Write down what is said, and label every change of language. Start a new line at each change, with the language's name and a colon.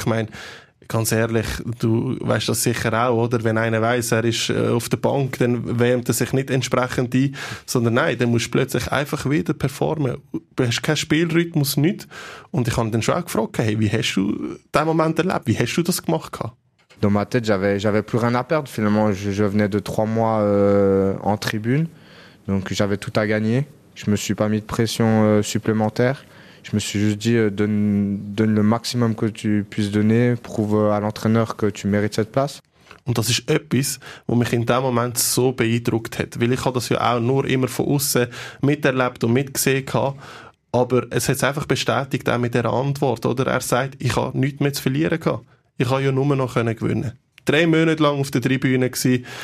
German: Ich meine, ganz ehrlich, du weißt das sicher auch, oder? Wenn einer weiss, er ist auf der Bank, dann wärmt er sich nicht entsprechend ein, sondern nein, dann musst du plötzlich einfach wieder performen. Du hast keinen Spielrhythmus, nicht. Und ich habe dann schon auch gefragt, hey, wie hast du diesen Moment erlebt? Wie hast du das gemacht?
French: Dans ma tête, j'avais plus rien à perdre. Finalement, je venais de 3 mois en tribune. Donc, j'avais tout à gagner. Je me suis pas mis de pression supplémentaire. Je me suis juste dit, donne le maximum que tu puisses donner, prouve à l'entraîneur que tu mérites cette place.
German: Und das ist etwas, was mich in dem Moment so beeindruckt hat. Weil ich habe das ja auch nur immer von außen miterlebt und mitgesehen habe. Aber es hat es einfach bestätigt, auch mit der Antwort. Oder? Er sagt, ich habe nichts mehr zu verlieren gehabt. Ich habe ja nur noch gewinnen können. 3 Monate lang auf der Tribüne gsi.